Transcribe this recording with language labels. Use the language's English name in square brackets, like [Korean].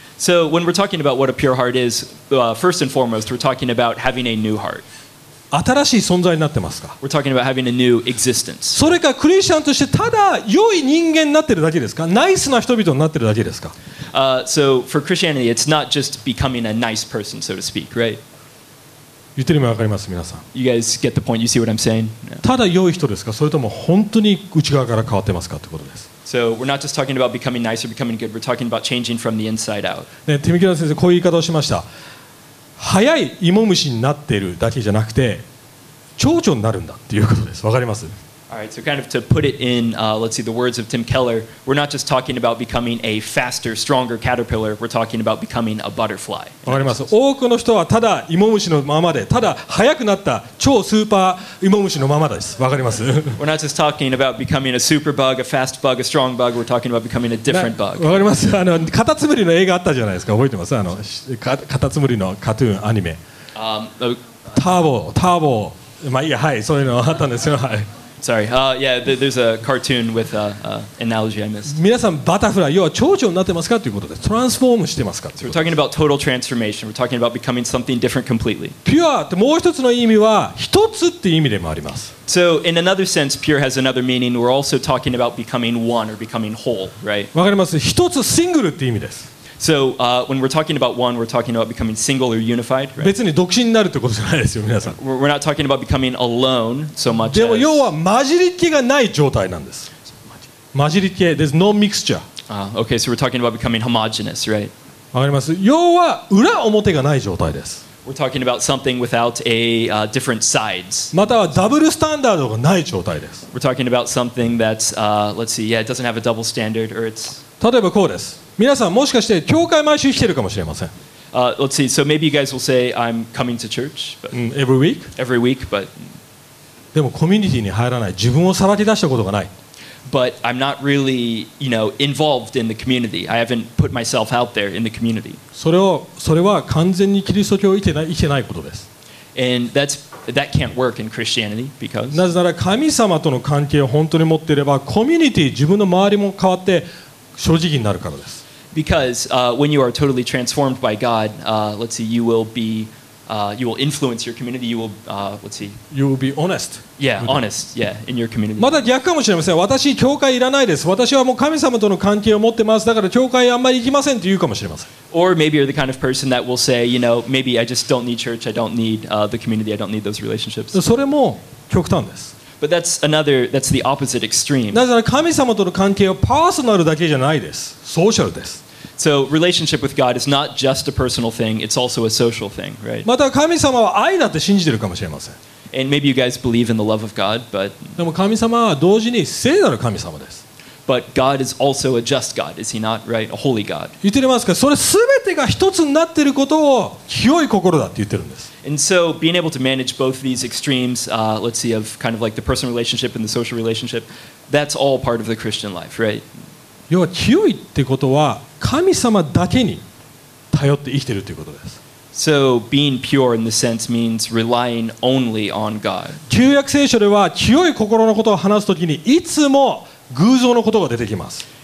[English] So when we're talking about what a pure heart is, first and foremost, we're talking about having a new heart. [Japanese] 新しい存在になってますか。 [English] We're talking about having a new existence. [Japanese] それかクリスチャンとしてただ良い人間になってるだけですか。ナイスな人々になってるだけですか。 [English] So for Christianity, it's not just becoming a nice person, so to speak, right? [Japanese] 言ってる意味わかります皆さん。 [English] You guys get the point. You see what I'm saying? [Japanese] ただ良い人ですか。それとも本当に内側から変わってますかってことです。 [English] So we're not just talking about becoming nice or becoming good. We're talking about changing from the inside out. [Japanese] ね、ティム・キラー先生こういう言い方をしました。早い芋虫になっているだけじゃなくて蝶々になるんだっていうことです。わかります？ [English] All right, so kind of to put it in, let's see, the words of Tim Keller, we're not just talking about becoming a faster, stronger caterpillar, we're talking about becoming a butterfly. [Japanese] わかります。多くの人はただ芋虫のままで、ただ早くなった超スーパー芋虫のままです。わかります？ [English] We're not just talking about becoming a super bug, a fast bug, a strong bug, we're talking about becoming a different bug. [Japanese] わかります。あの、カタツムリの映画あったじゃないですか。覚えてます？あの、カタツムリのカトゥーンアニメ。ターボ、まあいいや、はい、そういうのあったんですよ。はい。 [English] Sorry. Yeah. There's a cartoon with an analogy I missed. [Japanese] 皆さんバタフライ要は蝶々になってますかということで、トランスフォームしてますか。 [English] So we're talking about total transformation. We're talking about becoming something different completely. [Japanese] Pure ってもう一つの意味は一つっていう意味でもあります。 [English] So in another sense, pure has another meaning. We're also talking about becoming one or becoming whole, right? [Japanese] わかります。一つシングルっていう意味です。 [English] So when we're talking about one, we're talking about becoming single or unified, right? [Japanese] 別に独身になるってことじゃないですよ、皆さん。 [English] We're not talking about becoming alone so much. [Japanese] でも要は混じり気がない状態なんです。 [English] 混じり気、there's no mixture. Okay, so we're talking about becoming homogeneous, right? [Japanese] わかります。要は裏表がない状態です。 [English] We're talking about something without a different sides. [Japanese] またはダブルスタンダードがない状態です。 [English] We're talking about something that's, let's see, yeah, it doesn't have a double standard or it's. [Japanese] 例えばこうです。皆さんもしかして教会毎週来てるかもしれません。 [English] Let's see. So maybe you guys will say I'm coming to church. But every week. Every week, but. [Japanese] でもコミュニティに入らない。自分をさらけ出したことがない。 [English] But I'm not really, you know, involved in the community. I haven't put myself out there in the community. [Japanese] それは完全にキリスト教を生きてないことです。 [English] And that can't work in Christianity because. [Japanese] なぜなら神様との関係を本当に持っていれば、コミュニティ自分の周りも変わって。正直になるからです。 [English] Because when you are totally transformed by God, let's see, you will be you will influence your community. You will, let's see. You will be honest. Yeah, honest. Yeah, in your community. [Japanese] また逆かもしれません。私教会いらないです。私はもう神様との関係を持ってます。だから教会あんまり行きませんと言うかもしれません。 [English] Or maybe you're the kind of person that will say, you know, maybe I just don't need church. I don't need the community. I don't need those relationships. [Japanese] それも極端です。 [English] But that's another. That's the opposite extreme. [Japanese] なぜなら神様との関係はパーソナルだけじゃないです。ソーシャルです。 [English] So relationship with God is not just a personal thing, it's also a social thing, right? [Japanese] また神様は愛だって信じてるかもしれません。 [English] And maybe you guys believe in the love of God, but [Japanese] でも神様は同時に聖なる神様です。 [English] But God is also a just God, is he not, right? A holy God. [Japanese] 言ってますか？それ全てが一つになってることを清い心だって言ってるんです。 [English] And so being able to manage both these extremes, let's see, of kind of like the personal relationship and the social relationship, that's all part of the Christian life, right? [Japanese] 要は清いってことは神様だけに頼って生きてるということです。 [English] So being pure in this sense means relying only on God. [Japanese] 旧約聖書では清い心のことを話すときにいつも偶像のことが出てきます。